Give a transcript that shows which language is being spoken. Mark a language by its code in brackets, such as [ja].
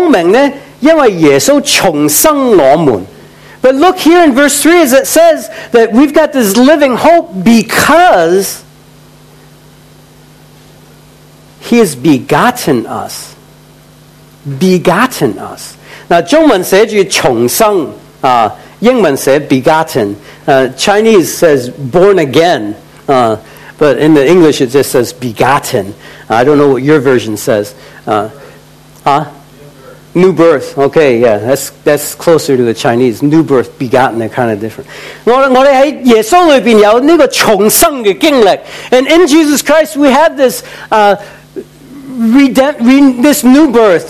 [zh] 但我想你留意到呢,在这个经文里面,这个活泼的盼望,它说明呢,因为耶稣重生我们。 [en] But look here in verse 3 as it says that we've got this living hope because he has begotten us. Begotten us. Now, [zh] 中文写就重生, 英文写begotten. [en] Chinese says born again. But in the English, it just says begotten. I don't know what your version says. New birth. Okay, yeah, that's closer to the Chinese. New birth, begotten, they're kind of different. [zh] 我们在耶稣里面有那个重生的经历. [en] And in Jesus Christ, we have this this new birth.